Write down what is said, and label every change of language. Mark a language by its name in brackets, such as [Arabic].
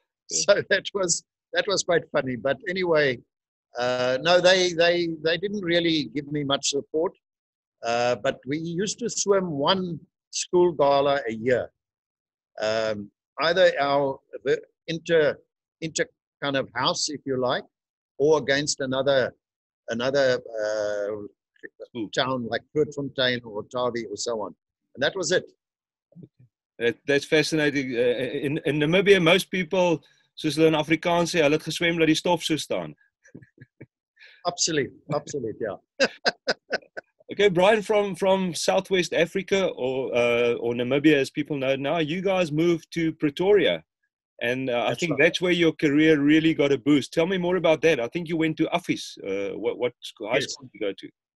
[English] So that was quite funny. But anyway. No, they didn't really give me much support, but we used to swim one school gala a year, either our inter kind of house, if you like, or against another town like Grootfontein or Otavi or so on, and that was it. That's fascinating. In Namibia, most people, [Afrikaans] soos hulle in Afrikaans sê, hulle het geswem laat die stof so staan. [English] Absolutely, yeah. Okay, Brian, from Southwest Africa or Namibia, as people know now, you guys moved to Pretoria, And I think right. that's where your career really got a boost. Tell me more about that. I think you went to Uffies. What high yes. school did you go to?